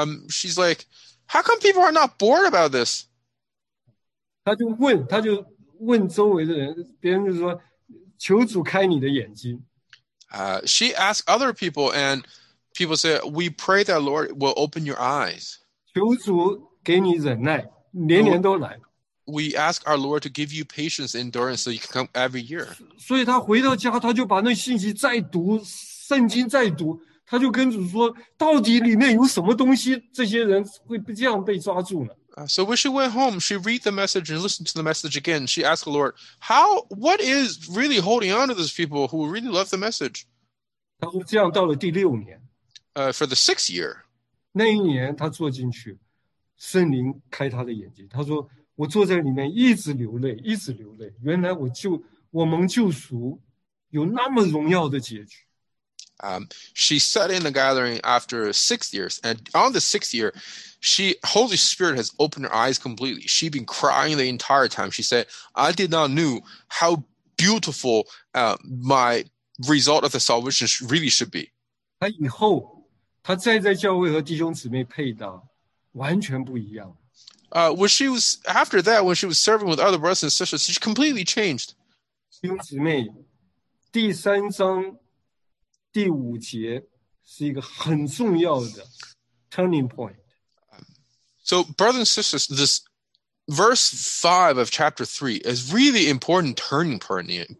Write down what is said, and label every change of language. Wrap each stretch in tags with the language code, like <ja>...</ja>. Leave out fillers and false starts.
<en>She's like, how come people are not bored about this?</en> <zh>他就问周围的人,别人就说, 求主开你的眼睛。</zh> <en>She asked other people, and people said, we pray that Lord will open your eyes.</en> <zh>求主,给你忍耐，年年都来。</zh> <en>We ask our Lord to give you patience and endurance so you can come every year.</en> <zh>所以他回到家，他就把那信息再读，圣经再读，他就跟主说，到底里面有什么东西，这些人会这样被抓住呢？</zh> <en>So when she went home, she read the message and listened to the message again. She asked the Lord, "How? What is really holding on to these people who really love the message?"</en> <zh>他说这样到了第六年。</zh> <en>For the sixth year.</en> <zh>那一年他坐进去，圣灵开他的眼睛。他说，我坐在里面一直流泪，一直流泪。原来我蒙救赎，有那么荣耀的结局。</zh> <en>She sat in the gathering after 6 years, and on the sixth year, she Holy Spirit has opened her eyes completely. She'd been crying the entire time. She said, "I did not know how beautiful my result of the salvation really should be."</en> <zh>她以后，她再在教会和弟兄姊妹配搭，完全不一样。</zh> <en>When she was after that, when she was serving with other brothers and sisters, she completely changed.</en> <zh>弟兄姊妹，第三章。第五节是一个很重要的 turning point.</zh> <en>So, brothers and sisters, this verse 5 of chapter 3 is really important turning point.</en>